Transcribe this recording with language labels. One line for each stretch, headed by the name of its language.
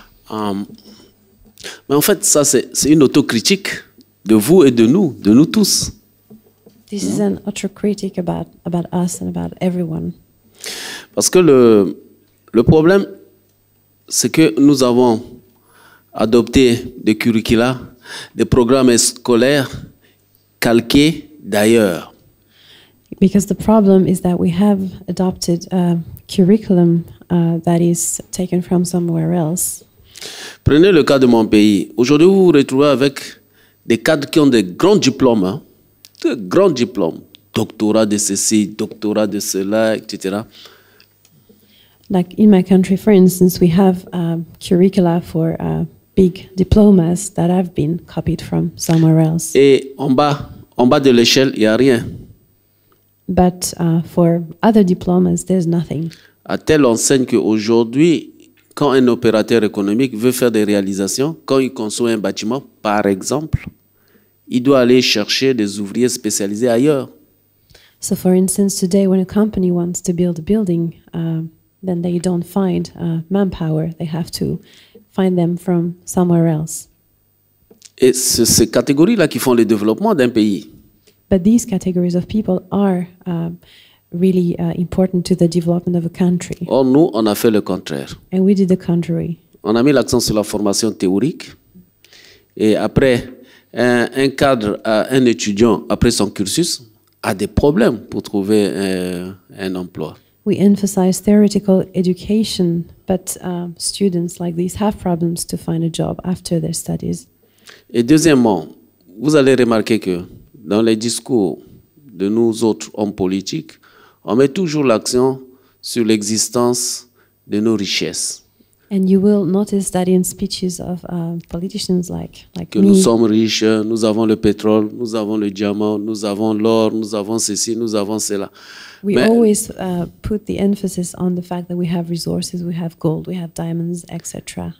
French: Mais en fait, ça, c'est une autocritique de vous et de nous tous.
English: This is an autocritic about us and about everyone.
French: Parce que le problème, c'est que nous avons adopté des curricula, des programmes scolaires calqués d'ailleurs.
English: Because the problem is that we have adopted a curriculum that is taken from somewhere else.
French: Prenez le cas de mon pays. Aujourd'hui, vous vous retrouvez avec des cadres qui ont des grands diplômes, de grands diplômes, doctorat de ceci, doctorat de cela, etc.
English: Like in my country, for instance, we have curricula for big diplomas that have been copied from somewhere else.
French: Et en bas, En bas de l'échelle, il y a rien.
English: But for other diplomas, there's nothing.
French: À telle enseigne qu'aujourd'hui, quand un opérateur économique veut faire des réalisations, quand il conçoit un bâtiment, par exemple, il doit aller chercher des ouvriers spécialisés ailleurs.
English: So for instance, today when a company wants to build a building, then they don't find manpower. They have to find them from somewhere else.
French: Et c'est ces catégories-là qui font le développement d'un pays.
English: But these categories of people are really important to the development of a country.
French: Or nous, on a fait le contraire.
English: And we did the contrary.
French: On a mis l'accent sur la formation théorique. Et après, un cadre, un étudiant, après son cursus, a des problèmes pour trouver un emploi.
English: We emphasize theoretical education, but students like these have problems to find a job after their studies.
French: Et deuxièmement, vous allez remarquer que dans les discours de nous autres hommes politiques, on met toujours l'accent sur l'existence de nos richesses.
English: And you will notice that in speeches of politicians like
French: que
English: me,
French: nous sommes riches, nous avons le pétrole, nous avons le diamant, nous avons l'or, nous avons ceci, nous avons cela.
English: We Mais always put the emphasis on the fact that we have resources, we have gold, we have diamonds, etc.